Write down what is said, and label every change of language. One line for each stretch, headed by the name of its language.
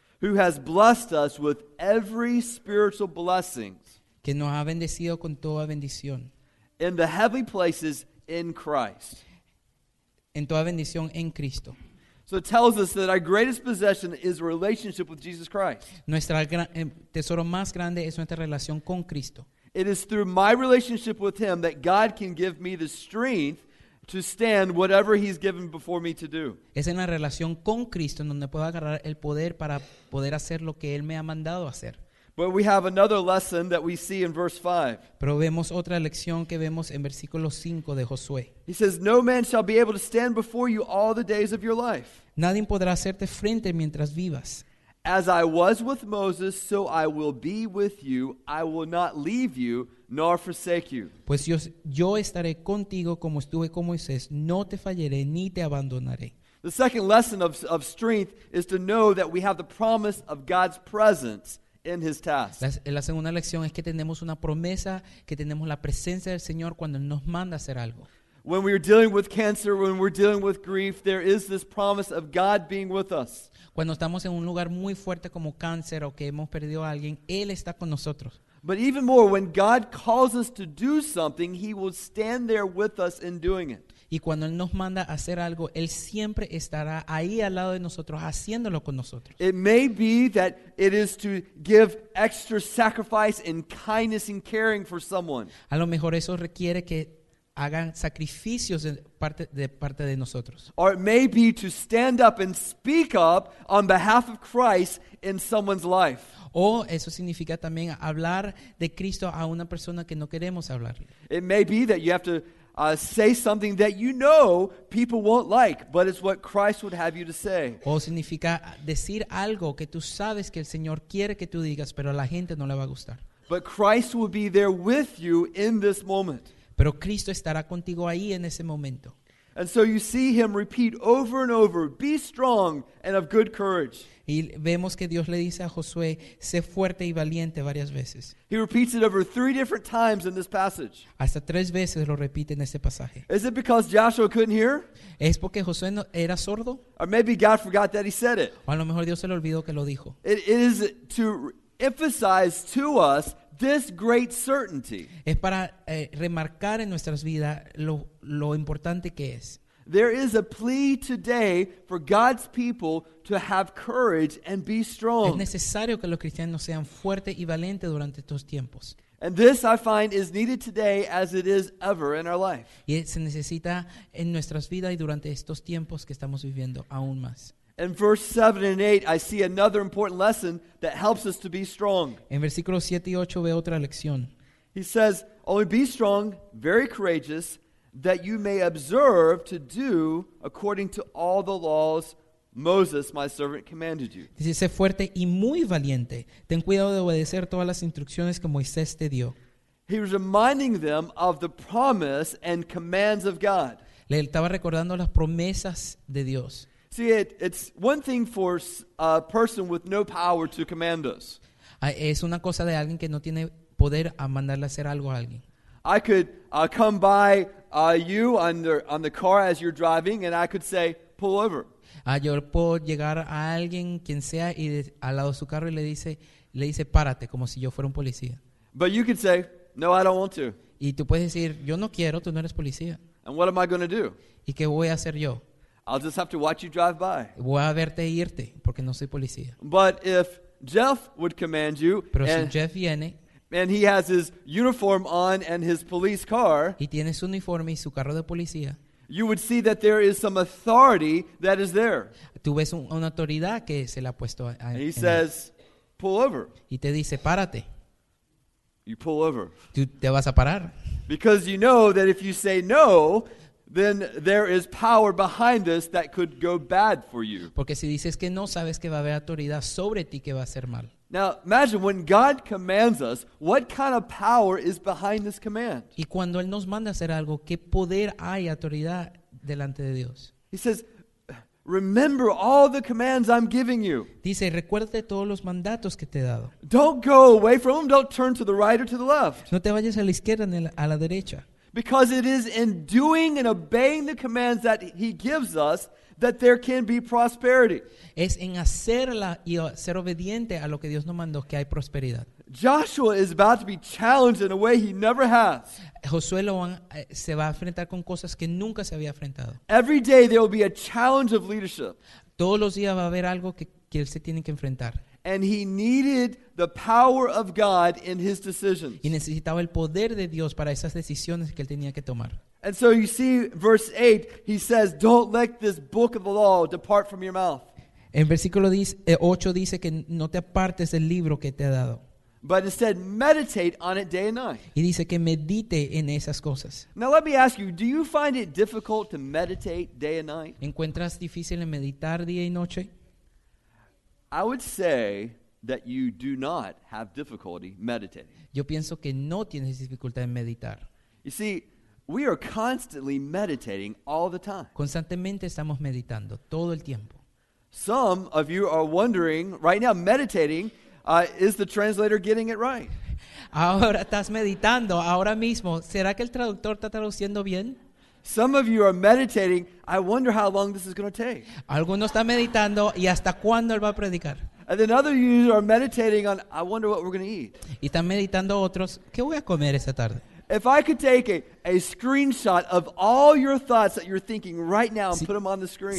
English: Who has blessed us with every spiritual blessing.
Spanish: Que nos ha bendecido con toda bendición.
English: In the heavenly places in Christ.
Spanish: En toda bendición en Cristo.
English: So it tells us that our greatest possession is a relationship with Jesus Christ.
Spanish: Nuestro tesoro más grande es nuestra relación con Cristo.
English: It is through my relationship with him that God can give me the strength to stand whatever he's given before me to do.
Spanish: Es en la relación con Cristo donde puedo agarrar el poder para poder hacer lo que él me ha mandado hacer.
English: But we have another lesson that we see in verse 5.
Spanish: Pero vemos otra lección que vemos en versículo 5 de Josué.
English: He says, no man shall be able to stand before you all the days of your life.
Spanish: Nadie podrá hacerte frente mientras vivas.
English: As I was with Moses, so I will be with you. I will not leave you nor forsake you.
Spanish: Pues yo estaré contigo como estuve con Moisés. No te fallaré ni te abandonaré.
English: The second lesson of strength is to know that we have the promise of God's presence in his task.
Spanish: La segunda lección es que tenemos una promesa, que tenemos la presencia del Señor cuando Él nos manda hacer algo.
English: When we are dealing with cancer, when we're dealing with grief, there is this promise of God being with us.
Spanish: Cuando estamos en un lugar muy fuerte como cáncer o que hemos perdido a alguien, Él está con nosotros.
English: But even more, when God calls us to do something, He will stand there with us in doing it.
Spanish: Y cuando Él nos manda a hacer algo, Él siempre estará ahí al lado de nosotros, haciéndolo con nosotros.
English: It may be that it is to give extra sacrifice and kindness and caring for someone.
Spanish: A lo mejor eso requiere que hagan sacrificios de parte de nosotros.
English: Or it may be to stand up and speak up on behalf of Christ in someone's life.
Spanish: O eso significa también hablar de Cristo a una persona que no queremos hablar.
English: It may be that you have to say something that you know people won't like, but it's what Christ would have you to say.
Spanish: O significa decir algo que tú sabes que el Señor quiere que tú digas, pero a la gente no le va a gustar.
English: But Christ will be there with you in this moment.
Spanish: Pero Cristo estará contigo ahí en ese momento.
English: And so you see him repeat over and over, be strong and of good courage.
Spanish: Y vemos que Dios le dice a Josué, sé fuerte y valiente varias veces.
English: He repeats it over three different times in this passage.
Spanish: Hasta tres veces lo repite en este pasaje.
English: Is it because Joshua couldn't hear?
Spanish: ¿Es porque Josué no, era sordo?
English: Or maybe God forgot that he said it.
Spanish: O a lo mejor Dios se le olvidó que lo dijo.
English: It is to emphasize to us this great certainty.
Spanish: Es para remarcar en nuestras vidas lo importante que es.
English: There is a plea today for God's people to have courage and be strong.
Spanish: Es necesario que los cristianos sean fuertes y valientes durante estos tiempos.
English: And this I find is needed today as it is ever in our life.
Spanish: Y se necesita en nuestras vidas y durante estos tiempos que estamos viviendo aún más.
English: In verse 7 and 8, I see another important lesson that helps us to be strong.
Spanish: En versículos 7 y 8 veo otra lección.
English: He says, only be strong, very courageous, that you may observe to do according to all the laws Moses, my servant, commanded you.
Spanish: Dice, sé fuerte y muy valiente. Ten cuidado de obedecer todas las instrucciones que Moisés te dio.
English: He was reminding them of the promise and commands of God.
Spanish: Le estaba recordando las promesas de Dios.
English: See, it's one thing for a person with no power to command us.
Spanish: Es una cosa de alguien que no tiene poder a mandarle a hacer algo a alguien.
English: I could come by you on the car as you're driving, and I could say, pull over.
Spanish: Yo puedo llegar a alguien, quien sea, y al lado de su carro y le dice, párate, como si yo fuera un policía.
English: But you could say, no, I don't want to.
Spanish: Y tú puedes decir, yo no quiero, tú no eres policía.
English: And what am I going to do?
Spanish: ¿Y qué voy a hacer yo?
English: I'll just have to watch you drive by.
Spanish: Voy a verte irte porque no soy policía.
English: But if Jeff would command you,
Spanish: pero si Jeff viene,
English: and he has his uniform on and his police car,
Spanish: y tiene su uniforme y su carro de policía,
English: you would see that there is some authority that is there.
Spanish: Tú ves una autoridad que se le ha puesto a,
English: and he says, pull over.
Spanish: Y te dice, párate.
English: You pull over.
Spanish: Tú te vas a parar.
English: Because you know that if you say no, then there is power behind this that could go bad for you.
Spanish: Porque si dices que no, sabes que va a haber autoridad sobre ti que va a ser mal.
English: Now imagine when God commands us, what kind of power is behind this command?
Spanish: Y cuando Él nos manda a hacer algo, ¿qué poder hay, autoridad delante de Dios?
English: He says, remember all the commands I'm giving you.
Spanish: Dice, recuérdate todos los mandatos que te he dado.
English: Don't go away from them, don't turn to the right or to the left.
Spanish: No te vayas a la izquierda ni a la derecha.
English: Because it is in doing and obeying the commands that he gives us that there can be prosperity.
Spanish: Es en hacerla y ser obediente a lo que Dios nos mandó que hay prosperidad.
English: Joshua is about to be challenged in a way he never has.
Spanish: Josué se va a enfrentar con cosas que nunca se había enfrentado.
English: Every day there will be a challenge of leadership.
Spanish: Todos los días va a haber algo que él se tiene que enfrentar.
English: And he needed the power of God in his decisions.
Spanish: Y necesitaba el poder de Dios para esas decisiones que él tenía que tomar.
English: And so you see, verse 8, he says, don't let this book of the law depart from your mouth.
Spanish: En versículo 8 dice que no te apartes del libro que te ha dado.
English: But instead, meditate on it day and night.
Spanish: Y dice que medite en esas cosas.
English: Now let me ask you, do you find it difficult to meditate day and night?
Spanish: ¿Encuentras difícil en meditar día y noche?
English: I would say that you do not have difficulty meditating.
Spanish: Yo pienso que no tienes dificultad en meditar.
English: You see, we are constantly meditating all the time.
Spanish: Constantemente estamos meditando todo el tiempo.
English: Some of you are wondering right now, meditating, is the translator getting it right?
Spanish: Ahora estás meditando, ahora mismo. ¿Será que el traductor está traduciendo bien?
English: Some of you are meditating. I wonder how long this is going to take.
Spanish: Alguno está meditando y hasta cuándo él va a predicar.
English: And then other users are meditating on, I wonder what we're going to eat.
Spanish: Y están meditando otros, ¿qué voy a comer esa tarde?
English: If I could take a screenshot of all your thoughts that you're thinking right now and put them on the screen.